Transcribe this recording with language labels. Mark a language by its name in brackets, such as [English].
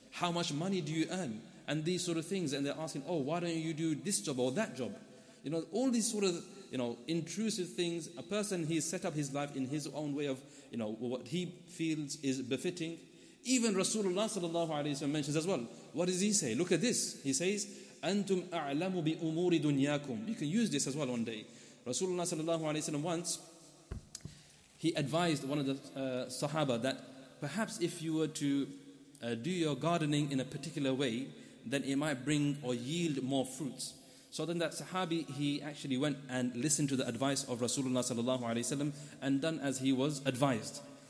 [English] How much money do you earn? And these sort of things. And they're asking, oh, why don't you do this job or that job? You know, all these sort of, you know, intrusive things. A person, he's set up his life in his own way of, you know, what he feels is befitting. Even Rasulullah sallallahu alayhi wa sallam mentions as well. What does he say? Look at this. He says, [Arabic] أَنْتُمْ أَعْلَمُ بِأُمُورِ دُنْيَاكُمْ. [English] You can use this as well one day. Rasulullah sallallahu alayhi wa sallam once, he advised one of the sahaba that perhaps if you were to do your gardening in a particular way, then it might bring or yield more fruits. So then that sahabi, he actually went and listened to the advice of Rasulullah sallallahu alayhi wa sallam and done as he was advised.